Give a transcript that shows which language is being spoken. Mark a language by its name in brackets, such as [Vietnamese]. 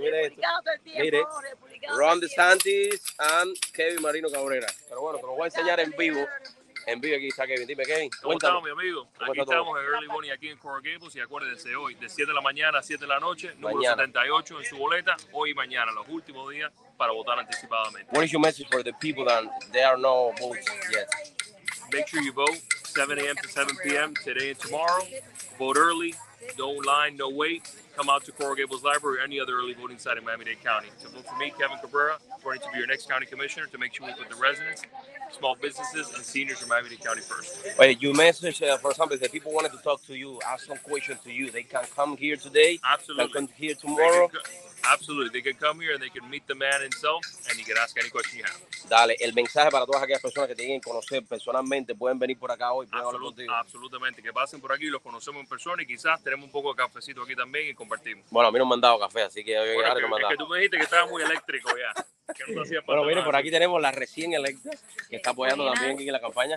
[Spanish] Miren. Ron DeSantis and Kevin Marino Cabrera. Pero bueno, te lo voy a enseñar en vivo. En vivo aquí está Kevin. Dime, Kevin. ¿Cómo estamos, mi amigo? Aquí estamos todo? En Early Bunny aquí en Coral Gables. Y acuérdense, hoy de 7 de la mañana a 7 de la noche, número mañana. 78 en su boleta, hoy y mañana, los últimos días para votar anticipadamente. [English] What is your message for the people that there are no votes yet? Make sure you vote 7 a.m. to 7 p.m. today and tomorrow. Vote early. No line, no wait. Come out to Coral Gables Library or any other early voting site in Miami-Dade County. To vote for me, Kevin Cabrera, running to be your next county commissioner to make sure we put the residents, small businesses, and seniors in Miami-Dade County first. Wait, you messaged, for example, that people wanted to talk to you, ask some questions to you. They can come here today. Absolutely. They can come here tomorrow. Absolutely. They can come here and they can meet the man himself and you can ask any question you have. [Spanish] Dale, el mensaje para todas aquellas personas que te quieren conocer personalmente, pueden venir por acá hoy, pueden hablar contigo. Absolutamente, que pasen por aquí, los conocemos en persona y quizás tenemos un poco de cafecito aquí también y compartimos. Bueno, a mí no me han dado café, así que yo ahora te mando. Es que tú me dijiste que estaba muy eléctrico ya. Bueno, mire, por aquí tenemos la recién electa que está apoyando también aquí en la campaña.